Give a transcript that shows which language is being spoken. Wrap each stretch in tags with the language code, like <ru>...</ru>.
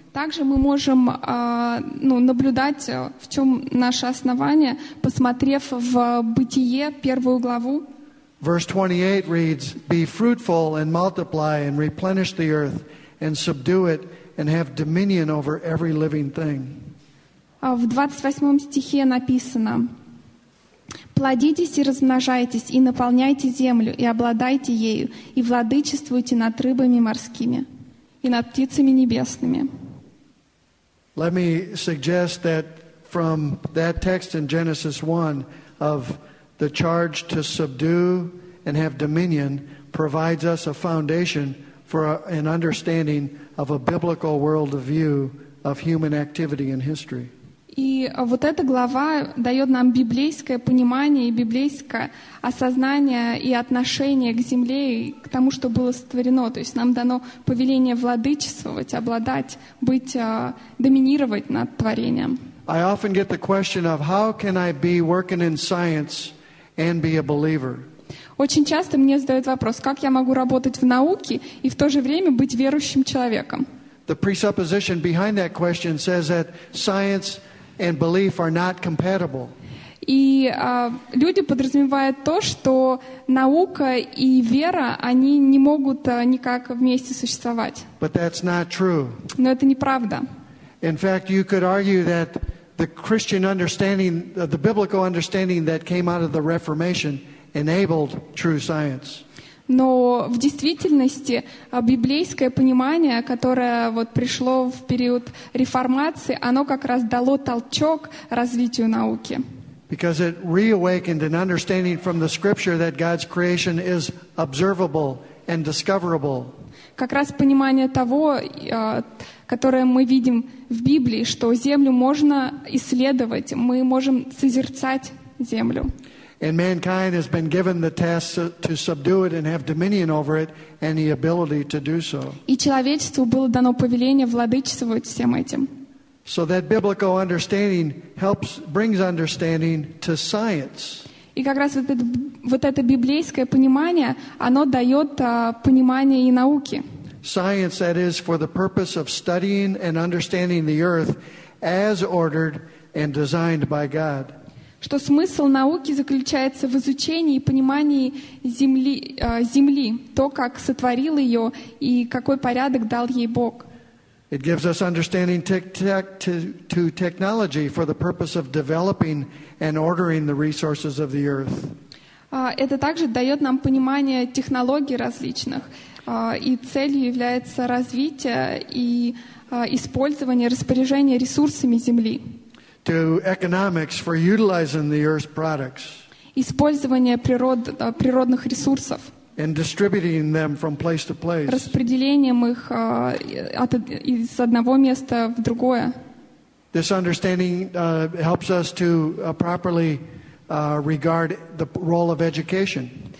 <ru>Также мы можем наблюдать, в чем наше основание, посмотрев в Бытие, первую главу.</ru> <en>Verse 28 reads, "Be fruitful and multiply and replenish the earth and subdue it and have dominion over every living thing."</en> <ru>В 28 стихе написано, «Плодитесь и размножайтесь, и наполняйте землю, и обладайте ею, и владычествуйте над рыбами морскими и над птицами небесными».</ru> <en>Let me suggest that from that text in Genesis 1 of the charge to subdue and have dominion provides us a foundation for an understanding of a biblical worldview of human activity in history.</en> <ru>И вот эта глава дает нам библейское понимание и библейское осознание и отношение к земле и к тому, что было сотворено. То есть нам дано повеление владычествовать, обладать, быть, доминировать над творением.</ru> <en>I often get the question of how can I be working in science and be a believer?</en> <ru>Очень часто мне задают вопрос, как я могу работать в науке и в то же время быть верующим человеком?</ru> <en>The presupposition behind that question says that science and belief are not compatible.</en> <ru>И люди подразумевают то, что наука и вера, они не могут никак вместе существовать.</ru> <en>But that's not true.</en> <ru>Но это неправда.</ru> <en>In fact, you could argue that the Christian understanding, the biblical understanding that came out of the Reformation enabled true science.</en> <ru>Но в действительности библейское понимание, которое вот пришло в период реформации, оно как раз дало толчок развитию науки.</ru> <en>Because it reawakened an understanding from the scripture that God's creation is observable and discoverable.</en> <ru>Как раз понимание того, которое мы видим в Библии, что землю можно исследовать, мы можем созерцать землю.</ru> <en>And mankind has been given the task to subdue it and have dominion over it and the ability to do so.</en> <ru>И человечеству было дано повеление владычествовать всем этим.</ru> <en>So that biblical understanding helps brings understanding to science.</en> <ru>И как раз вот это библейское понимание, оно даёт понимание и науке.</ru> <en>Science that is for the purpose of studying and understanding the earth as ordered and designed by God.</en> <ru>Что смысл науки заключается в изучении и понимании земли, то, как сотворил ее и какой порядок дал ей Бог.</ru> <en>It gives us understanding to technology for the purpose of developing and ordering the resources of the earth.</en> <ru>Это также дает нам понимание технологий различных, и целью является развитие и использование, распоряжение ресурсами земли.</ru> <en>To economics for utilizing the earth's products.</en> <ru>Использование природных ресурсов.</ru> <en>And distributing them from place to place.</en> <ru>Распределением их из одного места в другое.</ru> <en>This understanding helps us to properly regard the role of education.</en>